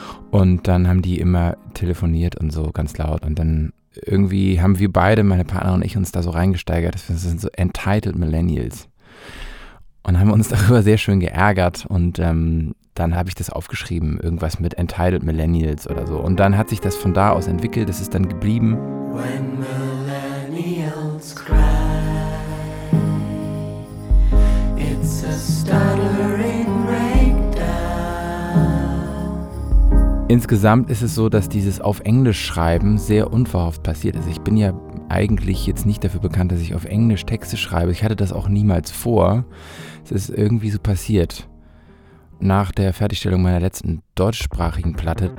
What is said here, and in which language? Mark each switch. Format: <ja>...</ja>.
<de>Und dann haben die immer telefoniert und so ganz laut und dann irgendwie haben wir beide, meine Partnerin und ich, uns da so reingesteigert, dass wir sind so entitled Millennials. Und haben uns darüber sehr schön geärgert und dann habe ich das aufgeschrieben, irgendwas mit Entitled Millennials oder so. Und dann hat sich das von da aus entwickelt, das ist dann geblieben.</de> <en>When Millennials cry, it's a stuttering breakdown.</en> <de>Insgesamt ist es so, dass dieses auf Englisch schreiben sehr unverhofft passiert ist. Ich bin ja eigentlich jetzt nicht dafür bekannt, dass ich auf Englisch Texte schreibe. Ich hatte das auch niemals vor. Es ist irgendwie so passiert. Nach der Fertigstellung meiner letzten deutschsprachigen Platte.</de>